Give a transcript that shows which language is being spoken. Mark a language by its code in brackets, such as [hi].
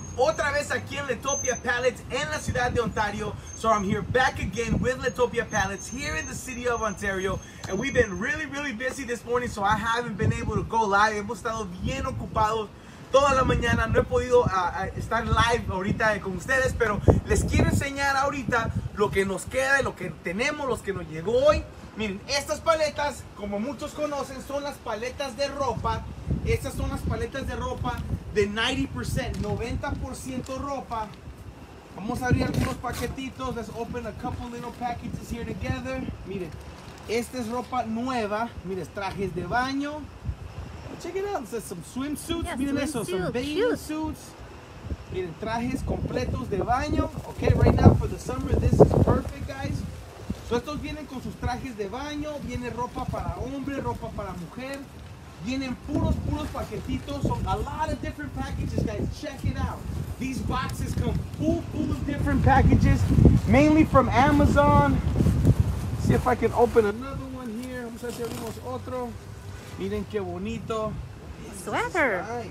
[es] Otra vez aquí en Lettopia Pallets en la ciudad de Ontario. [en] So I'm here back again with Lettopia Pallets here in the city of Ontario. And we've been really, really busy this morning, so I haven't been able to go live. [es] Hemos estado bien ocupados toda la mañana. No he podido estar live ahorita con ustedes, pero les quiero enseñar ahorita lo que nos queda, lo que tenemos, lo que nos llegó hoy. Miren, estas paletas, como muchos conocen, son las paletas de ropa. Estas son las paletas de ropa de 90%, 90% ropa. Vamos a abrir algunos paquetitos. [en] Let's open a couple little packages here together. [es] Miren, esta es ropa nueva. Miren, trajes de baño. [en] Check it out, there's some swimsuits. Yeah, [es] miren [en] swim [es] eso, [en] suit. Some bathing Cute. Suits. [es] Miren, trajes completos de baño. [en] Okay, right now for the summer, this is perfect, guys. [es] So estos vienen con sus trajes de baño, viene ropa para hombre, ropa para mujer. Vienen puros paquetitos. [en] So a lot of different packages, guys. Check it out. These boxes come full of different packages, mainly from Amazon. See if I can open another one here. [es] Vamos a ver si abrimos otro. Miren qué bonito. [en] Sweater.